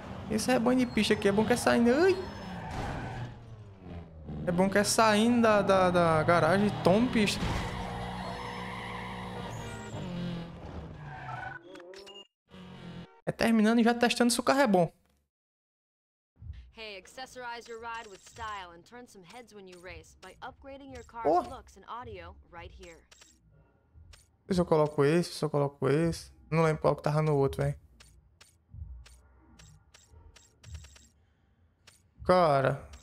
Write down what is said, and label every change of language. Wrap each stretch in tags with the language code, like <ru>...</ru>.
<pt>Esse é bom de pista aqui, é bom que é saindo. Ui. É bom que é saindo da garagem e tome pista. É terminando e já testando se o carro é bom.</pt> <en>Hey, accessorize your ride with style and turn some heads when you race by upgrading your car's Oh. looks and audio right here.</en> <pt>Se eu coloco esse, se eu coloco esse. Não lembro qual que tava no outro, velho. Cara.</pt>